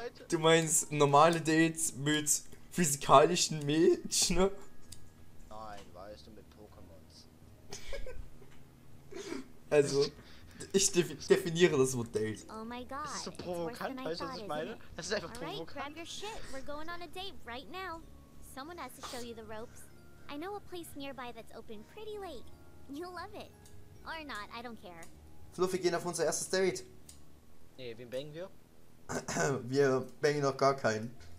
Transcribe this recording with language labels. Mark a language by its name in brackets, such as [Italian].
[German] Du meinst normale Dates mit physikalischen Mädchen, ne? Nein, weißt du, mit Pokémons. Also, Ich definiere das Wort Date. Oh mein Gott. Das ist so provokant, weißt du, was ich meine? Das ist einfach provokant. [English] Alright, grab your shit. We're going on a date right now. Someone has to show you the ropes. I know a place nearby that's open pretty late. You'll love it. Or not, I don't care. [German] Fluffy, gehen auf unser erstes Date. Nee, wen bangen wir? Wir bangen noch gar keinen.